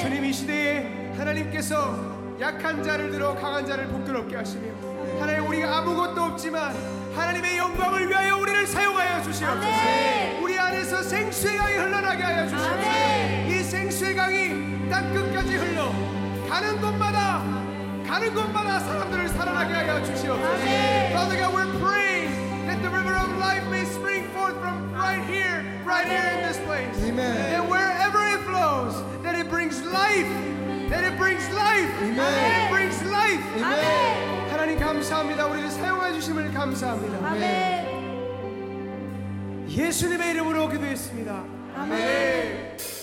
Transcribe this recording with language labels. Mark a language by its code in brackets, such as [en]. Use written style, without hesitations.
[ko] 주님 이 시대에 하나님께서 약한 자를 들어 강한 자를 부끄럽게 하시며, 하나님 우리가 아무것도 없지만 하나님의 영광을 위하여 우리를 사용하여 주시옵소서. 아멘. 우리 안에서 생수의 강이 흘러나게 하여 주시옵소서. 아멘. 이 생수의 강이 땅 끝까지 흘러 가는 곳마다 가는 곳마다 사람들을 살아나게 하여 주시옵소서. 아멘. [en] Father God, we're praying that the river of life may spring forth from right here, right here in this place. Amen. That wherever it flows, that it brings life. That it brings life. Amen. That it brings life. Amen. [ko] 하나님 감사합니다. 우리를 사용해 주심을 감사합니다. 아멘. 예수님의 이름으로 기도했습니다. 아멘.